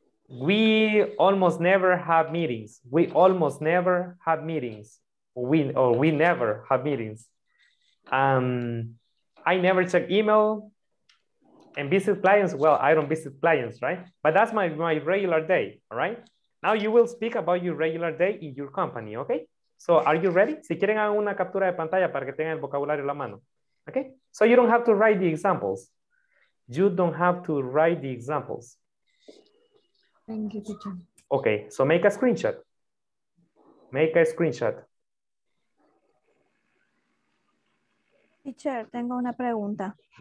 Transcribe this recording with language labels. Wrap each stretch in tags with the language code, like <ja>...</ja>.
<en>We almost never have meetings. We almost never have meetings. We never have meetings. I never check email and visit clients. Well, I don't visit clients, right? But that's my regular day, all right? Now you will speak about your regular day in your company, okay? So are you ready?</en> <es>Si quieren hagan una captura de pantalla para que tengan el vocabulario en la mano.</es> <en>Okay, so you don't have to write the examples. You don't have to write the examples. Thank you, teacher. Okay, so make a screenshot. Make a screenshot.</en> <es>Teacher, tengo una pregunta.</es>